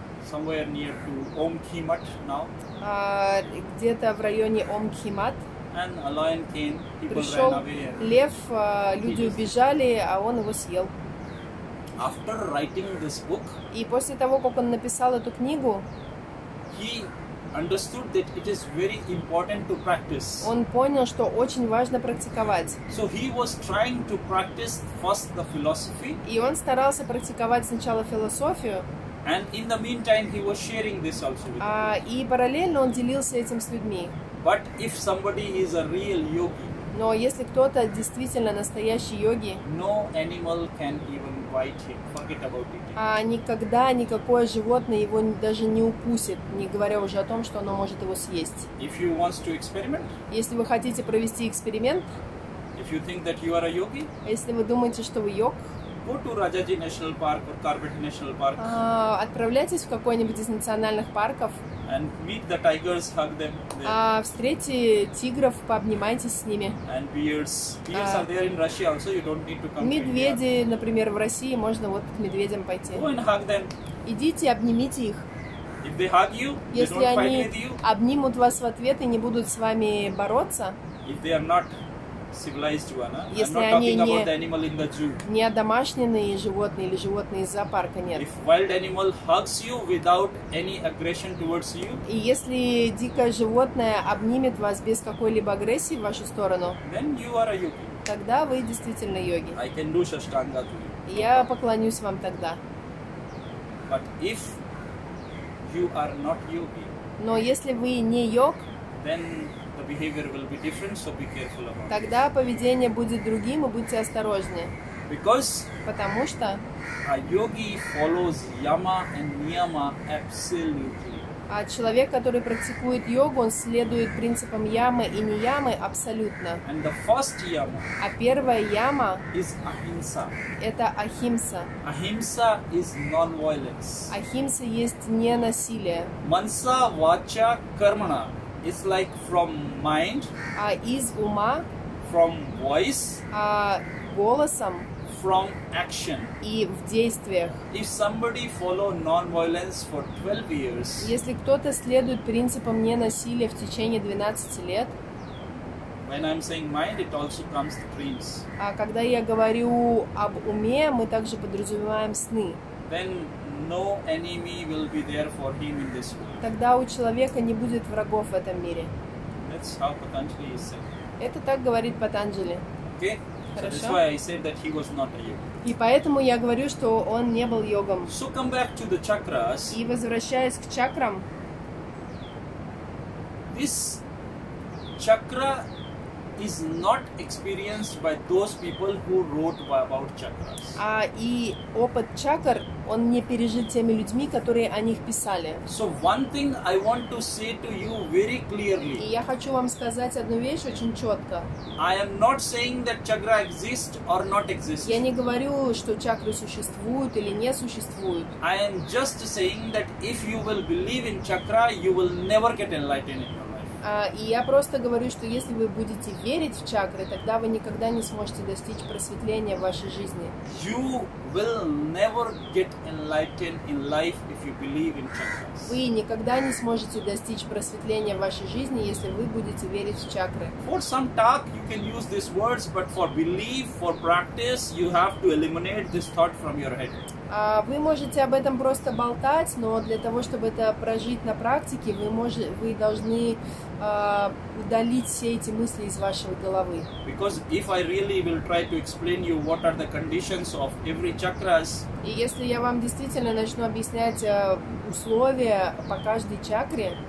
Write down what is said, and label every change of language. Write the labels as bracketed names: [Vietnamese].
[English] Somewhere near to Om Khi Mat now. [Russian] Где-то в районе Om Khi Mat. [English] And a lion came. [Russian] Пришел лев, люди убежали, а он его съел. [English] After writing this book. [Russian] И после того, как он написал эту книгу. [English] He understood that it is very important to practice. [Russian] Он понял, что очень важно практиковать. [English] So he was trying to practice first the philosophy. [Russian] И он старался практиковать сначала философию. [English] And in the meantime, he was sharing this also with [Russian] И параллельно он делился этим с людьми. [English] But if somebody is a real yogi. [Russian] Но если кто-то действительно настоящий йоги. [English] No animal can even bite him. Forget about it. [Russian] Никогда никакое животное его даже не укусит, не говоря уже о том, что оно может его съесть. [English] If you want to experiment. [Russian] Если вы хотите провести эксперимент. [English] If you think that you are a yogi. [Russian] Если вы думаете, что вы йог. [English] Go to Rajaji National Park or Corbett National Park. [Russian] Отправляйтесь в какой-нибудь из национальных парков. [English] And meet the tigers, hug them. [Russian] Встретьте тигров, пообнимайтесь с ними. [English] And bears. Bears are there in Russia also, you don't need to come. [Russian] Медведи, например, в России можно вот к медведям пойти. [English] Go and hug them. [Russian] Идите, обнимите их. [English] If they hug you, [Russian] если [English] they don't fight with you. [Russian] Если они обнимут вас в ответ и не будут с вами бороться. [English] If they are not civilized one, huh? [Russian] Если [English] I'm not [Russian] они [English] talking [Russian] не, [English] about the animal in the zoo. [Russian] Не одомашненные животные или животные из зоопарка, нет. [English] If wild animal hugs you without any aggression towards you. [Russian] И если дикое животное обнимет вас без какой-либо агрессии в вашу сторону. [English] Then you are a yogi. [Russian] Тогда вы действительно йоги. [English] I can do shastanga to you. [Russian] Я поклонюсь вам тогда. [English] But if you are not yogi. [Russian] Но если вы не йог. [English] Then behavior will be different, so be careful about it. [Russian] Тогда поведение будет другим, и будьте осторожнее. [English] Because [Russian] потому что [English] a yogi follows yama and niyama absolutely. [Russian] А человек, который практикует йогу, он следует принципам ямы и ниямы абсолютно. [English] And the first yama. [Russian] А первая яма [English] is ahimsa. [Russian] Это ахимса. [English] Ahimsa is non-violence. [Russian] Ахимса есть не насилие. [Sanskrit] Манса вача кармана. [English] It's like from mind, [Russian] из ума, [English] from voice, [Russian] голосом, [English] from action, [Russian] и в действиях. [English] If somebody follow non-violence for 12 years, [Russian] если кто-то следует принципам ненасилия в течение 12 лет, [English] when I'm saying mind, it also comes to dreams. [Russian] Когда я говорю об уме, мы также подразумеваем сны. [English] Then no enemy will be there for him in this world. [Russian] Тогда у человека не будет врагов в этом мире. [English] That's how Patanjali is saying. [Russian] Это так говорит Патанджали. [English] Okay. [Russian] Хорошо. [English] So that's why I said that he was not a yogi. [Russian] И поэтому я говорю, что он не был йогом. [English] So come back to the chakras. [Russian] И возвращаясь к чакрам. [English] This chakra is not experienced by those people who wrote about chakras. [Russian] И опыт чакр он не пережит теми людьми, которые о них писали. [English] So one thing I want to say to you very clearly. [Russian] И я хочу вам сказать одну вещь очень четко. [English] I am not saying that chakra exists or not exists. [Russian] Я не говорю, что чакры существуют или не существуют. [English] I am just saying that if you will believe in chakra, you will never get enlightened in your life. [Russian] И я просто говорю, что если вы будете верить в чакры, тогда вы никогда не сможете достичь просветления в вашей жизни. [English] You will never get enlightened in life if you believe in chakras. [Russian] Вы никогда не сможете достичь просветления в вашей жизни, если вы будете верить в чакры. [English] For some talk you can use these words, but for belief, for practice, you have to eliminate this thought from your head. [Russian] Вы можете об этом просто болтать, но для того, чтобы это прожить на практике, вы должны удалить все эти мысли из вашей головы. [English] Because if I really will try to explain you what are the conditions of every chakras. [Russian] И если я вам действительно начну объяснять условия по каждой чакре,